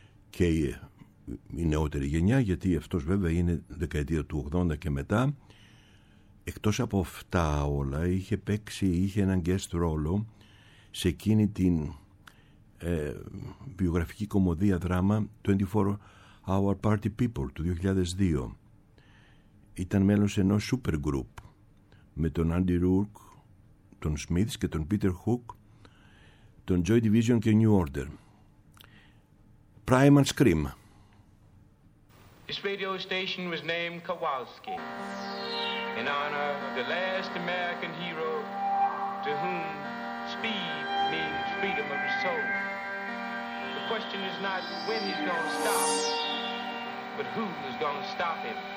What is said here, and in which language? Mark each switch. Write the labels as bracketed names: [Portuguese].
[Greek] Και η νεότερη γενιά, γιατί αυτός βέβαια είναι δεκαετία του 80 και μετά. Εκτός από αυτά όλα, είχε παίξει, είχε έναν guest ρόλο σε εκείνη την βιογραφική κωμωδία δράμα 24 Hour Party People του 2002. Ήταν μέλος ενός super group με τον Andy Rourke, τον Smiths και τον Peter Hook, τον Joy Division και New Order. [English] Primal Scream. This radio station was named Kowalski in honor of the last American hero to whom speed means freedom of the soul. The question is not when he's going to stop, but who is going to stop him.